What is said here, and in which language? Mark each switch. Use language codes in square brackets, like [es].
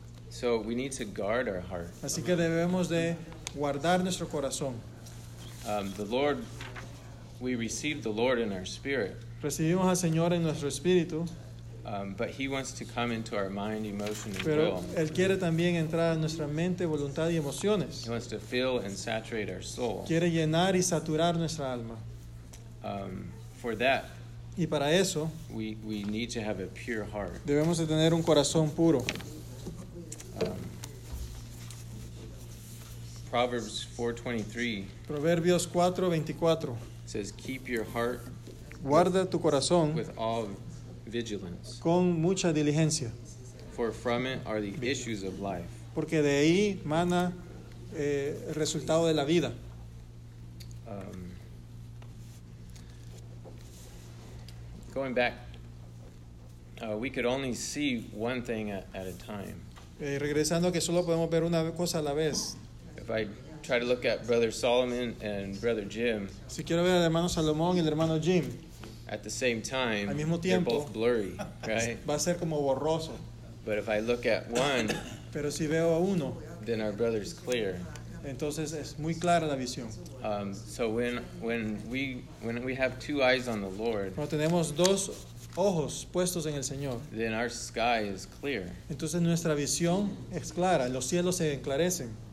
[en] So we need to guard our heart. [es] Así que debemos de guardar nuestro corazón. [en] The Lord, we receive the Lord in our spirit. [es] Recibimos al Señor en nuestro espíritu. [en] But He wants to come into our mind, emotion, and [es] pero [en] will. [es] Él quiere también entrar en nuestra mente, voluntad y emociones. [en] He wants to fill and saturate our soul. [es] Quiere llenar y saturar nuestra alma. [en] For that, [es] y para eso, [en] we need to have a pure heart. [es] Debemos de tener un corazón puro. [en] Proverbs 4:23. [es] Proverbios 4:24. [en] Says, keep your heart. [es] Guarda tu corazón. [en] With all vigilance. [es] Con mucha diligencia. [en] For from it are the issues of life. [es] Porque de ahí mana el resultado de la vida. [en] Going back, we could only see one thing at a time. [es] Regresando que solo podemos ver una cosa a la vez. [en] If I try to look at Brother Solomon and Brother Jim, [es] si quiero ver al hermano Salomón y el hermano Jim, [en] at the same time, [es] al mismo tiempo, [en] they're both blurry, right? [es] Va a ser como borroso. [en] But if I look at one, [es] Pero si veo a uno, [en] then our brother is clear. [es] Entonces es muy clara la visión. [en] So when we have two eyes on the Lord, [es] cuando tenemos dos ojos puestos en el Señor, [en] then our sky is clear. [es] Entonces nuestra visión es clara, los cielos se enclarecen.